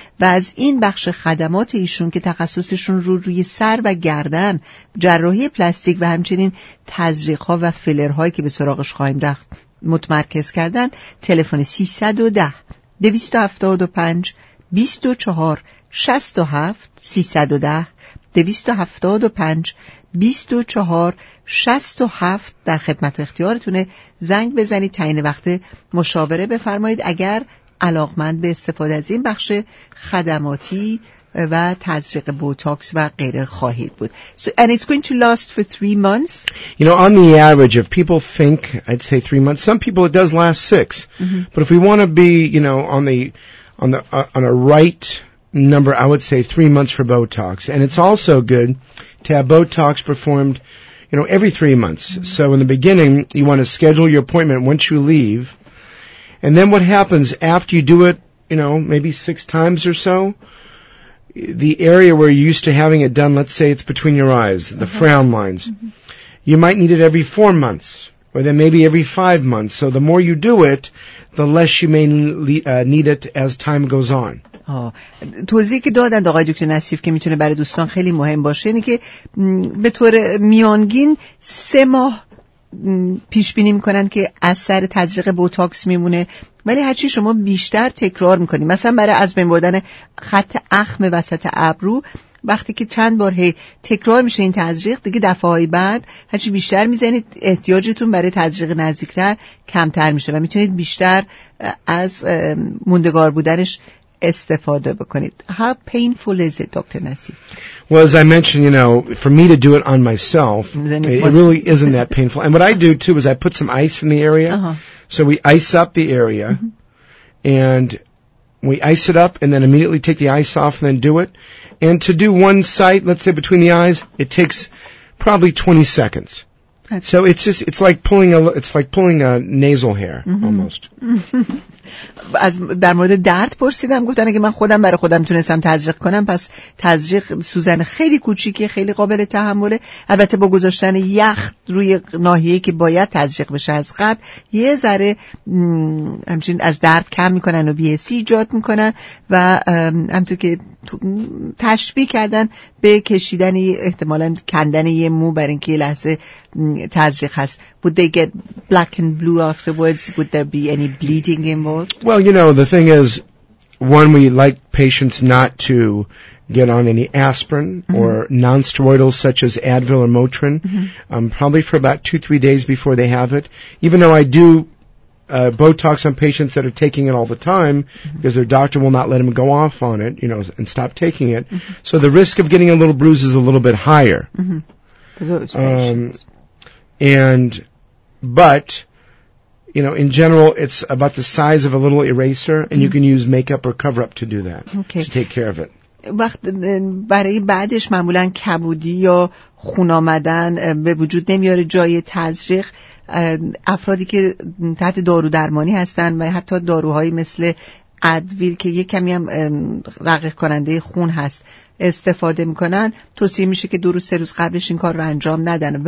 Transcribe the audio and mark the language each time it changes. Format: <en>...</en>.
<fa>و از این بخش خدمات ایشون که تخصصشون رو روی سر و گردن، جراحی پلاستیک و همچنین تزریق‌ها و فیلرهایی که به سراغش خواهیم رفت متمرکز کردن، تلفن 310-275-2467 در خدمت و اختیارتونه. زنگ بزنید، تعیین وقت مشاوره بفرمایید اگر علاقمند به استفاده از این بخش خدماتی و تزریق بوتاکس و غیره خواهید بود.</fa> <en>So, and it's going to last for 3 months. You know, on the average, if people think, I'd say 3 months. Some people it does last 6. Mm-hmm. But if we want to be, you know, on a right number, I would say 3 months for Botox. And it's also good to have Botox performed, you know, every 3 months. Mm-hmm. So in the beginning, you want to schedule your appointment once you leave. And then what happens after you do it, you know, maybe 6 times or so, the area where you're used to having it done, let's say it's between your eyes, the frown lines, mm-hmm. you might need it every 4 months. Or then maybe every 5 months. So the more you do it, the less you may need it as time goes on.</en> <fa>توضیحی که دادند آقای دکتر نصیف که میتونه برای دوستان خیلی مهم باشه اینه که به طور میانگین 3 ماه پیش بینی میکنن که اثر تزریق بوتاکس میمونه، ولی هرچی شما بیشتر تکرار میکنید، مثلا برای از بین بردن خط اخم وسط ابرو، وقتی که چند بار هی تکرار میشه این تزریق، دیگه دفعه‌های بعد هرچی بیشتر میزنید احتیاجتون برای تزریق نزدیکتر کمتر میشه و میتونید بیشتر از موندگار بودنش استفاده بکنید.</fa> <en>How painful is it, Dr. Nassif? Well, as I mentioned, you know, for me to do it on myself, it really isn't that painful. And what I do too is I put some ice in the area. So we ice up the area and we ice it up and then immediately take the ice off and then do it. And to do one site, let's say between the eyes, it takes probably 20 seconds. So it's just, it's like pulling a nasal hair, almost.</en> <fa>از در مورد درد پرسیدم، گفتن اگه من خودم برای خودم تونستم تزریق کنم، پس تزریق سوزن خیلی کوچیکه، خیلی قابل تحمله. البته با گذاشتن یخ روی ناحیه‌ای که باید تزریق بشه از قبل، یه ذره همچنین از درد کم میکنن و بی‌حسی ایجاد میکنن و همونطور که تشبیه کردن به کشیدن احتمالاً کندن یه مو برای اینکه یه لحظه تزریق هست.</fa> <en>Would they get black and blue afterwards? Would there be any bleeding involved? Well, you know, the thing is, one, we like patients not to get on any aspirin mm-hmm. or non-steroidals such as Advil or Motrin, mm-hmm. Probably for about 2-3 days before they have it. Even though I do Botox on patients that are taking it all the time mm-hmm. because their doctor will not let them go off on it, you know, and stop taking it. Mm-hmm. So the risk of getting a little bruise is a little bit higher. Mm-hmm. But, you know, in general, it's about the size of a little eraser, and mm-hmm. you can use makeup or cover-up to do that, okay. to take care of it.</en> <fa>وقت برای بعدش معمولا کبودی یا خون آمدن به وجود نمیاره جای تزریق. افرادی که تحت دارو درمانی هستن و حتی داروهایی مثل ادویل که یک کمی هم رقیق کننده خون هست استفاده میکنن، توصیه میشه که 2-3 روز قبلش این کار رو انجام ندن.</fa>